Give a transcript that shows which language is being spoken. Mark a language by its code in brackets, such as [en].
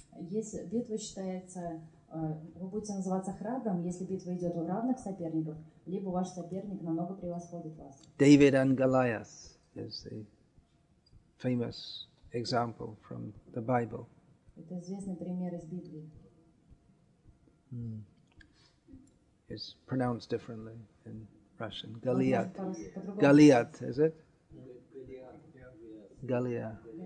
[ru] Если битва считается, вы будете называться храбрым, если битва идет у равных соперников, либо ваш соперник намного превосходит вас. [en] David and Goliath is the famous example from the Bible. [ru] Это известный пример из Библии. [en] It's pronounced differently in Russian. Goliath. Goliath, is it? [ru] Galia.